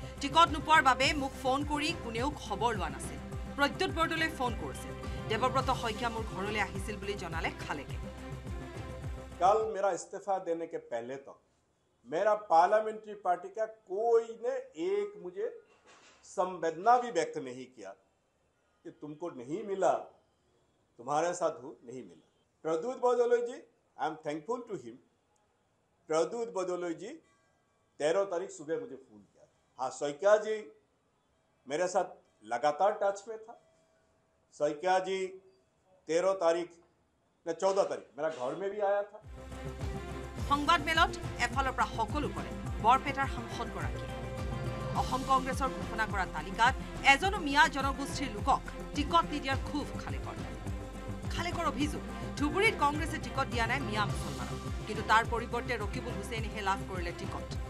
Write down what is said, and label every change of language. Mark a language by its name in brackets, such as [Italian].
[Assamese] Ticket নোপোৱাৰ বাবে মোক ফোন কৰি কোনেও খবৰ লোৱা নাছিল। প্ৰদ্যুৎ বৰদলৈ ফোন কৰিছিল, দেৱব্ৰত শইকীয়া মোৰ ঘৰলৈ আহিছিল বুলি জনালে খালেকে। [Hindi] কাল মেৰা ইস্তফা দেনেকে পেহলে তক মেৰা পাৰ্লামেণ্টাৰী পাৰ্টি কা কোই নে এক মুজে संवेदना भी व्यक्त नहीं किया कि तुमको नहीं मिला, तुम्हारे साथ हूँ नहीं मिला। प्रद्युत बदोलोई जी, [English] I am thankful to him. [Hindi] Pradyut बदोलोई जी 13 तारीख सुबह मुझे फोन किया। हाँ, शइकीया जी मेरे साथ लगातार टच में था। शइकीया जी 14 तारीख मेरा घर में भी आया था। [Assamese] সংবাদ মেলত এফালৰ পৰা সকলো কৰে বৰপেটাৰ সাংসদ গৰাকী। অসম কংগ্ৰেছৰ ঘোষণা কৰা তালিকাত এজনো মিয়া জনগোষ্ঠীৰ লোকক টিকট নিদিয়াৰ খুব খালেকৰ। খালেকৰ অভিযোগ, ধুবুৰীত কংগ্ৰেছে টিকট দিয়া নাই মিয়া মুছলমানক, কিন্তু তাৰ পৰিৱৰ্তে ৰকিবুল হুছেইনেহে লাভ কৰিলে টিকট।